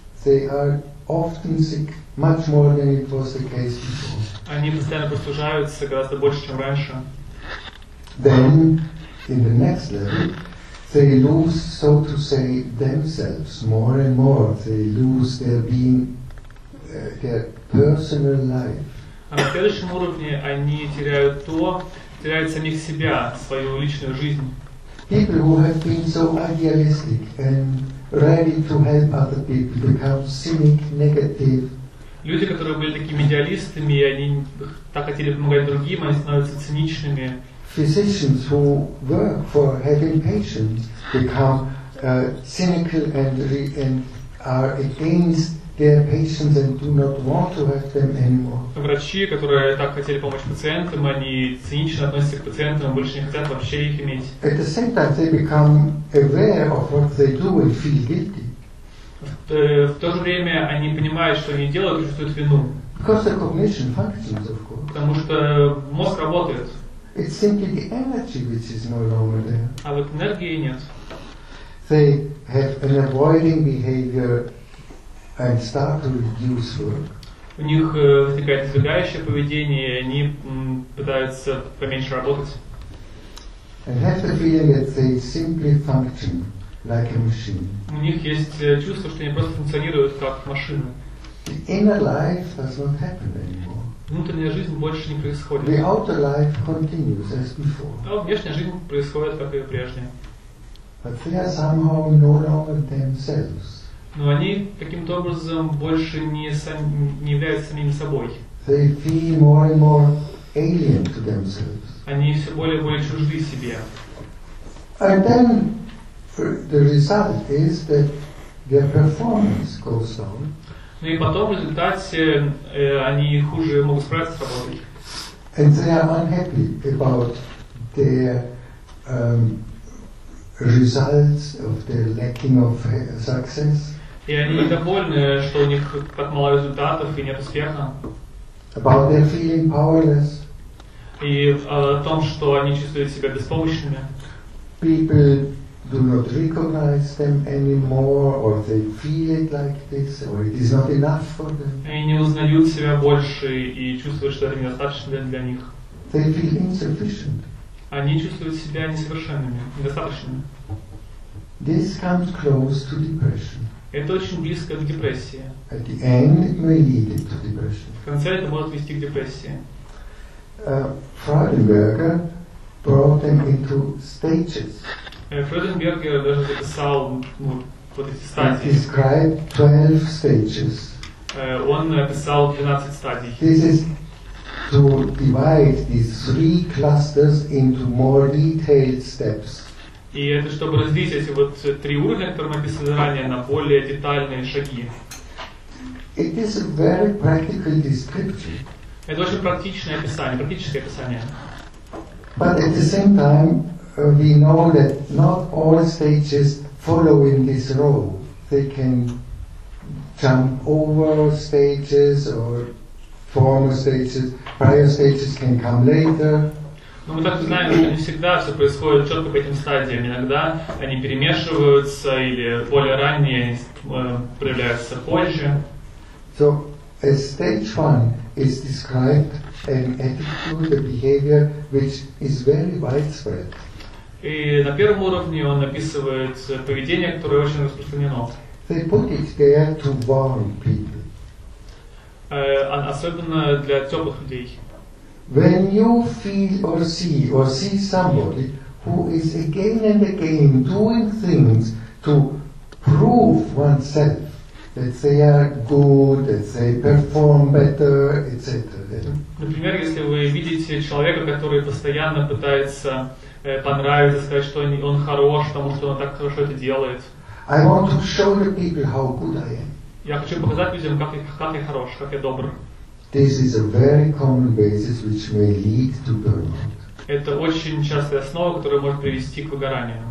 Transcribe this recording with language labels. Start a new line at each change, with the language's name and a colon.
English: They are often sick, much more than it was the case before.
Russian: Они постоянно простужаются гораздо больше, чем раньше.
English: Then, in the next level, they lose, so to say, themselves more and more. They lose their being, their personal life.
Russian: А на следующем уровне они теряют самих себя, свою личную жизнь.
English: People who have been so idealistic and ready to help other people become cynic, negative.
Russian: Люди, которые были такими идеалистами, они так хотели помогать другим, они становятся циничными.
English: Physicians who work for having patients become cynical and are against their patients and do not want to help them anymore.
Russian: Врачи, которые так хотели помочь пациентам, они цинично относятся к пациентам, больше не хотят вообще их иметь.
English: At the same time, they become aware of what they do and feel guilty.
Russian: В то же время они понимают, что они делают, и чувствуют вину.
English: Because the cognition functions, of course.
Russian: Потому что мозг работает.
English: It's simply the energy which is no longer there.
Russian: А вот энергии нет.
English: They have an avoiding behavior and start to reduce work.
Russian: У них возникает избегающее поведение, и они пытаются поменьше работать.
English: And have the feeling that they simply function like a machine.
Russian: У них есть чувство, что они просто функционируют как машина.
English: The inner life does not happen anymore.
Russian: Внутренняя жизнь больше не происходит.
English: The outer life continues as before.
Russian: А внешняя жизнь происходит, как и прежняя.
English: But they are somehow no longer themselves.
Russian: Но они каким-то образом больше не являются самими собой.
English: They feel more and more alien to themselves.
Russian: Они все более и более чужды себе.
English: And then the result is that their performance goes down.
Russian: Ну и потом в результате они хуже могут справиться с работой.
English: And they are unhappy about their results of their lacking of success.
Russian: И они недовольны, что у них так мало результатов и нет успеха.
English: About their feeling powerless.
Russian: И о том, что они чувствуют себя беспомощными.
English: People do not recognize them anymore, or they feel it like this, or it is not enough for them.
Russian: Они не узнают себя больше и чувствуют, что это недостаточно для них.
English: They feel insufficient.
Russian: Они чувствуют себя несовершенными, недостаточными.
English: This comes close to depression.
Russian: Это очень близко к депрессии.
English: At the end, it may lead it to depression.
Russian: В конце это может вести к депрессии.
English: Freudenberger brought them into stages.
Russian: Фрейденбергер даже записал вот эти стадии.
English: He described 12 stages.
Russian: Он написал 12 стадий.
English: This is to divide these three clusters into more detailed steps.
Russian: И это чтобы разделить эти вот три уровня, которые мы описали ранее, на более детальные шаги.
English: It is a very practical description.
Russian: Это очень практичное описание, практическое описание.
English: But at the same time, we know that not all stages follow in this row. They can jump over stages or former stages. Prior stages can come later.
Russian: Но мы так знаем, что не всегда все происходит четко по этим стадиям. Иногда они перемешиваются или более ранние проявляются позже.
English: So, as stage one is described an attitude, a behavior which is very widespread.
Russian: И на первом уровне он описывает поведение, которое очень распространено.
English: They put it there to warm people.
Russian: Особенно для теплых людей.
English: When you feel or see somebody who is again and again doing things to prove oneself that they are good, that they perform better, etc.
Russian: Например, если вы видите человека, который постоянно пытается понравится сказать, что он хорош, потому что он так хорошо это делает.
English: I want to show the people how good I am.
Russian: Я хочу показать людям, как я хорош, как я добр.
English: This is a very common basis which may lead to burnout.
Russian: Это очень частая основа, которая может привести к выгоранию.